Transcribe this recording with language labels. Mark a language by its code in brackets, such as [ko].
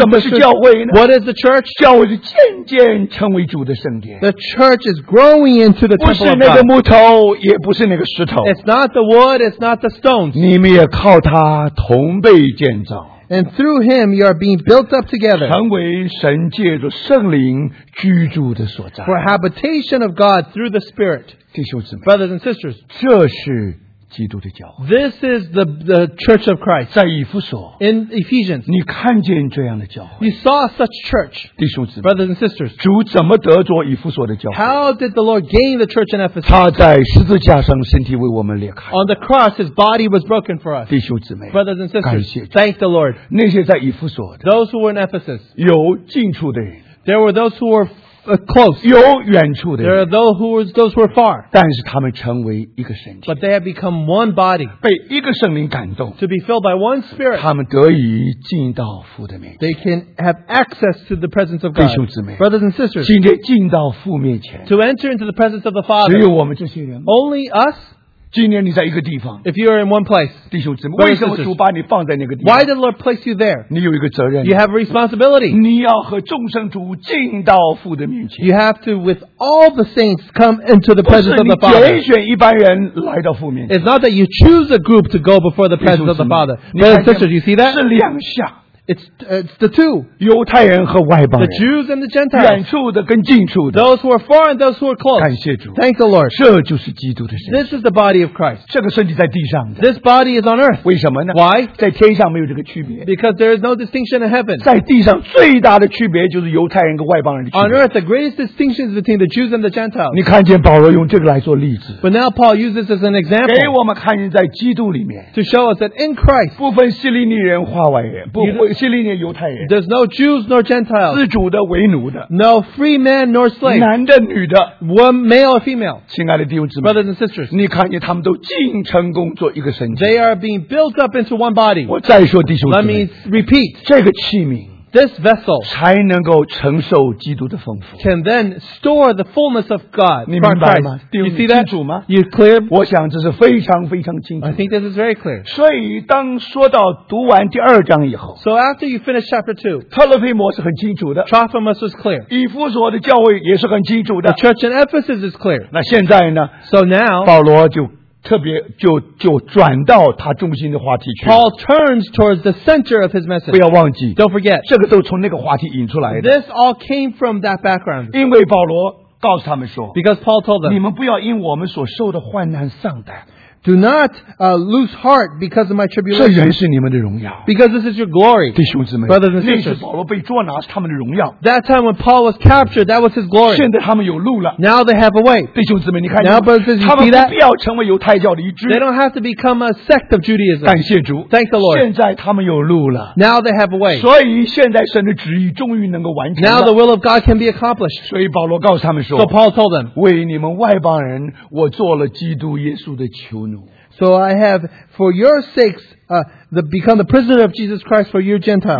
[zh] 什么是教会呢? [en] What is the church? [zh] 教会是渐渐成为主的圣殿, [en] the church is growing into the temple [zh] 不是那个木头, [en] of God. [zh] 也不是那个石头, [en] it's not the wood, it's not the stones. [zh] 你们也靠它同被建造, [en] and through him you are being built up together, [zh] 成为神借着圣灵居住的所在, [en] for habitation of God through the Spirit. [zh] 弟兄姊妹, [en] brothers and sisters, [zh] 这是基督的教会, [en] this is the church of Christ. [zh] 在以弗所, [en] in Ephesians, [zh] 你看见这样的教会, [en] you saw such church. [zh] 弟兄姊妹, [en] brothers and sisters, [zh] 主怎么得着以弗所的教会? [en] How did the Lord gain the church in Ephesus? [zh] 他在十字架上身体为我们裂开, [en] on the cross his body was broken for us. [zh] 弟兄姊妹, [en] brothers and sisters, [zh] 感谢主, [en] thank the Lord. [zh] 那些在以弗所的, [en] those who were in Ephesus, [zh] 有近处的人, [en] there were those who were close. [zh] 有远处的人, [en] there are those who are far. [zh] 但是他们成为一个神体, [en] but they have become one body. [zh] 被一个圣灵感动, [en] to be filled by one spirit. [zh] 他们得以进到父的面前, [en] they can have access to the presence of God. [zh] 弟兄姊妹, [en] brothers and sisters, [zh] 今天进到父面前, [en] to enter into the presence of the Father. [zh] 只有我们这些人, [en] only us. [zh] 今天你在一个地方, [en] if you are in one place, [zh] 弟兄姊妹, 为什么主把你放在那个地方? [en] Why did the Lord place you there? [zh] 你有一个责任, [en] you have a responsibility. [zh] 你要和众圣徒进到父的面前, [en] you have to, with all the saints, come into the presence of the Father. [zh] 不是你拣选一般人来到父面前, [en] it's not that you choose a group to go before the presence [zh] 弟兄姊妹, [en] of the Father. [zh] 弟兄姊妹, [en] sisters, you see that? [zh] 是两下, [en] It's the two. [zh] 犹太人和外邦人, [en] the Jews and the Gentiles. [zh] 远处的跟近处的, [en] those who are far and those who are close. [zh] 感谢主, [en] thank the Lord. [zh] 这就是基督的身体, [en] this is the body of Christ. [zh] 这个身体在地上的, [en] this body is on earth. [zh] 为什么呢? [en] Why? [zh] 在天上没有这个区别, [en] because there is no distinction in heaven. [zh] 在地上最大的区别就是犹太人跟外邦人的区别。 [en] On earth, the greatest distinction is between the Jews and the Gentiles. [zh] 你看见保罗用这个来做例子。 [en] But now Paul uses this as an example. [zh] 给我们看见在基督里面, [en] to show us that in Christ, [zh] 不分希利尼人化外人, 不分希利尼犹太人, [en] there's no Jews nor Gentiles, [zh] 自主的为奴的, [en] no free man nor slave, [zh] 男的女的, [en] one male or female. [zh] 亲爱的弟兄姊妹, [en] brothers and sisters, [zh] 你看见他们都进城工作一个身体, [en] they are being built up into one body. [zh] 我再说弟兄姊妹, [en] let me repeat, [zh] 这个器皿, [en] this vessel, [zh] 才能够承受基督的丰富, [en] can then store the fullness of God. [zh] 你明白吗? [en] You see that? You clear? [zh] 我想这是非常非常清楚。 [en] I think this is very clear. [zh] 所以当说到读完第二章以后, [en] so after you finish chapter 2, [zh] 特罗菲摩是很清楚的, [en] Trophimus was clear. [zh] 以弗所的教会也是很清楚的, [en] the church in Ephesus is clear. [zh] 那现在呢? [en] So now, [zh] 保罗就 特别就转到他中心的话题去, [en] Paul turns towards the center of his message. [zh] 不要忘记, [en] don't forget, [zh] 这个都从那个话题引出来的, [en] this all came from that background. [zh] 因为保罗告诉他们说, [en] because Paul told them, [zh] 你们不要因我们所受的患难丧胆, [en] do not lose heart because of my tribulation. [zh] 这人是你们的荣耀, [en] because this is your glory. [zh] 弟兄姊妹, [en] brothers and sisters, [zh] 那时保罗被捉拿是他们的荣耀, [en] that time when Paul was captured, that was his glory. [zh] 现在他们有路了, [en] now they have a way. [zh] 弟兄姊妹, 你看, [en] now brothers, you see that? [zh] 他们不必要成为犹太教的一支, [en] they don't have to become a sect of Judaism. [zh] 感谢主, [en] thank the Lord. [zh] 现在他们有路了, [en] now they have a way. [zh] 所以现在神的旨意终于能够完成了, [en] now the will of God can be accomplished. [zh] 所以保罗告诉他们说, [en] so Paul told them, [zh] 为你们外邦人, 我做了基督耶稣的囚奴, [en] so I have, for your sakes, become the prisoner of Jesus Christ for you Gentiles.